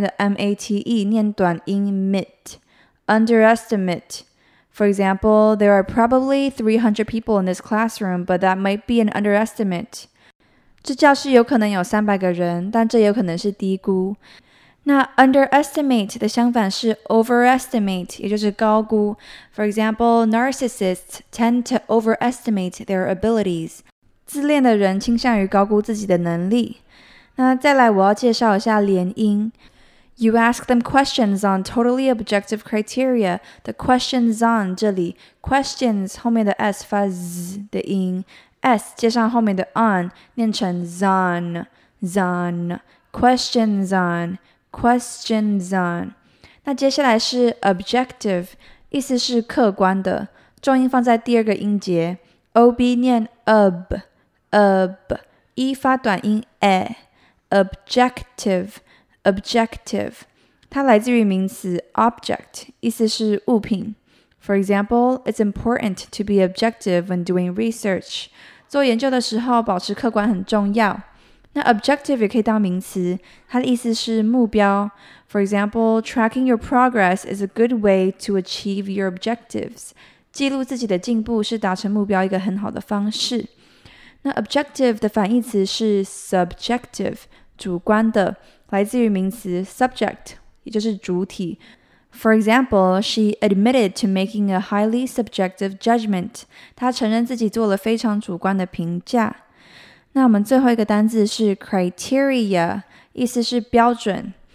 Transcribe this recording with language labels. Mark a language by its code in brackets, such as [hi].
[zh] 我开会迟到因为我低估了抵达会议所需要的时间。那underestimate也可以当名词，它当名词的时候后面的mate念短音mit. [en] Underestimate. For example, there are probably 300 people in this classroom, but that might be an underestimate. [zh] 这教室有可能有300个人，但这有可能是低估。那underestimate的相反是overestimate，也就是高估。 [en] For example, narcissists tend to overestimate their abilities. [zh] 自恋的人倾向于高估自己的能力。那再来，我要介绍一下连音。 [en] You ask them questions on totally objective criteria. The questions on [zh] 这里 questions 后面的 s 发 z 的音。 S 接上后面的 on 念成 zon zon [en] questions on questions on. [zh] 那接下来是 objective， 意思是客观的，重音放在第二个音节 ，ob 念 ub ub， 一发短音 e， [en] objective, objective. [zh] 它来自于名词 object, 意思是物品。 [en] For example, it's important to be objective when doing research. [zh] 做研究的时候保持客观很重要。那 objective 也可以当名词，它的意思是目标。 [en] For example, tracking your progress is a good way to achieve your objectives. [zh] 记录自己的进步是达成目标一个很好的方式。那 objective 的反义词是 subjective, 主观的，来自于名词 subject, 也就是主体。 [en] For example, she admitted to making a highly subjective judgment. [zh] 她承认自己做了非常主观的评价。那我们最后一个单字是 criteria, 意思是标准。